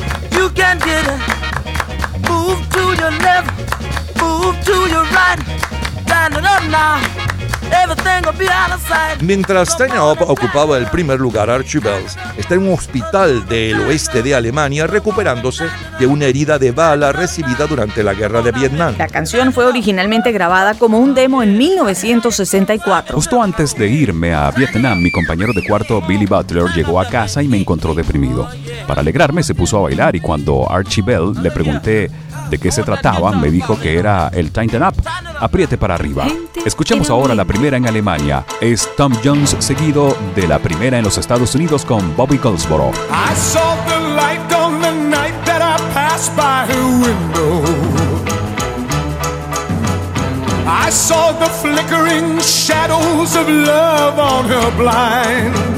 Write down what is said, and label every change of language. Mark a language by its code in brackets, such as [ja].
[en] You can get it. Move to your left, move to your right. Line it up now. [es] Mientras Tanya Opp ocupaba el primer lugar, Archie Bells está en un hospital del oeste de Alemania recuperándose de una herida de bala recibida durante la guerra de Vietnam. La canción fue originalmente grabada como un demo en 1964. Justo antes de irme a Vietnam, mi compañero de cuarto Billy Butler llegó a casa y me encontró deprimido. Para alegrarme se puso a bailar y cuando Archie Bell le pregunté de qué se trataba, me dijo que era el Tighten Up, apriete para arriba. Escuchemos ahora la primera en Alemania. Es Tom Jones, seguido de la primera en los Estados Unidos con Bobby Goldsboro. [en] I saw the light on the night that I passed by her window. I saw the flickering shadows of love on her blind.